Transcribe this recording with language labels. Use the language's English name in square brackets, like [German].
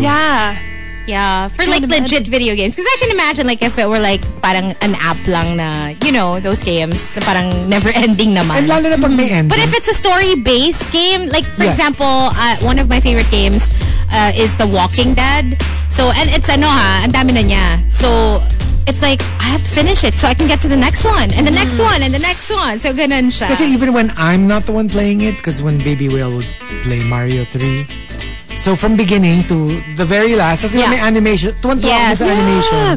[English] Yeah. Yeah, for like legit video games. Because I can imagine like if it were like parang an app [Filipino] lang na, [English] you know, those games [Filipino] na parang [English] never ending naman. [Filipino] And lalo na pag may ending. [English] But if it's a story-based game, like for example, one of my favorite games is The Walking Dead. So, and it's [Filipino] ano ha, ang dami na niya. [English] So, it's like, I have to finish it so I can get to the next one. And the next one, and the next one. [Filipino] So, ganun siya. [English] Kasi even when I'm not the one playing it, because when Baby Whale would play Mario 3, so from beginning to the very last, [Filipino] kasi may animation, tuwan-tuwa ako sa animation.